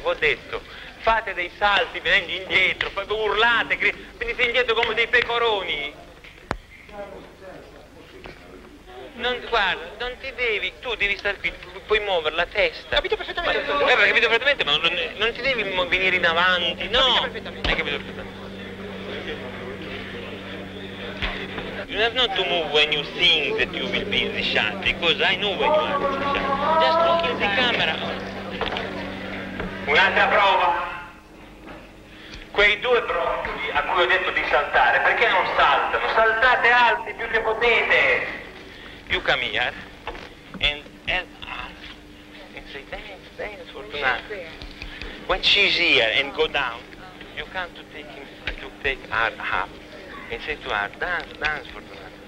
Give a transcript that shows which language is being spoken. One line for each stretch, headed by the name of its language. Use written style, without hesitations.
Italian: Vi ho detto, fate dei salti venendo indietro, urlate, venite indietro come dei pecoroni. Non, guarda, non ti devi, tu devi stare qui, puoi muovere la testa. Capito perfettamente. Ma, capito perfettamente, ma non ti devi venire in avanti, no. Capito perfettamente.
English: You have not to move when you think that you will be in the shot, because I know when you are in the shot. Just look in the camera.
Italian: Un'altra prova. Quei due broccoli a cui ho detto di saltare, perché non saltano? Saltate alti più che potete.
English: You come here and help us and say dance for tonight. When she's here and go down, you come to take him, to take her up and say to her, dance, dance for tonight.